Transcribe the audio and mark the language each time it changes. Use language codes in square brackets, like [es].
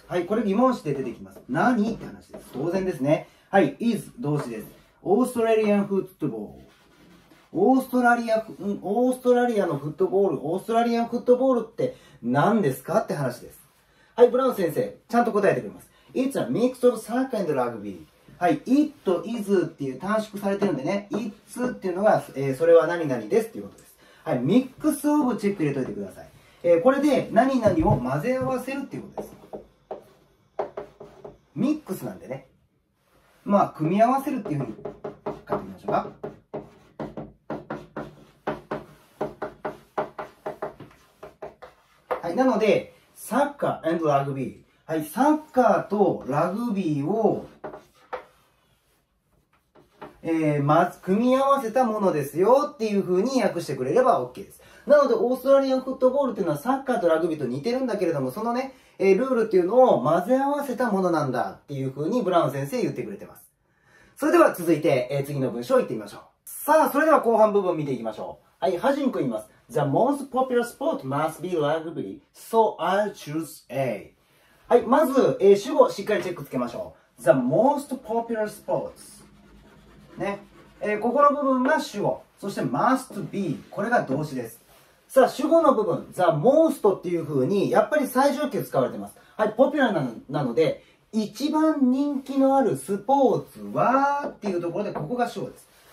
[ja] はい、これ疑問詞で出てきます。何って話です。当然ですね。はい、is 動詞です。 [en] Australian football。 [ja] オーストラリアのフットボール、オーストラリアンフットボールって何ですかって話です。はい、ブラウン先生、ちゃんと答えてくれます。 [en] It's a mix of soccer and rugby. [ja] はい、it, is っていう短縮されてるんでね、it's っていうのが、それは何々ですっていうことです。はい、mix of チェック入れといてください。これで何々を混ぜ合わせるっていうことです。 mix なんでね。まあ、組み合わせるっていうふうに書いてみましょうか。はい、なので、サッカー and ラグビー。はい、サッカーとラグビーを組み合わせたものですよっていう風に訳してくれれば OK です。なので、オーストラリアンフットボールっていうのはサッカーとラグビーと似てるんだけれども、そのね、ルールっていうのを混ぜ合わせたものなんだっていう風にブラウン先生言ってくれてます。それでは続いて、次の文章いってみましょう。さあ、それでは後半部分見ていきましょう。はい、はじんくん言います。 [en] The most popular sport must be rugby, so I'll choose A. [ja] はい、まず、主語しっかりチェックつけましょう。 [en] The most popular sports. [ja] ね、ここの部分が主語、そして must be、 これが動詞です。さあ、主語の部分 the most っていう風にやっぱり最上級使われてます。はい、ポピュラーなので一番人気のあるスポーツはーっていうところで、ここが主語です。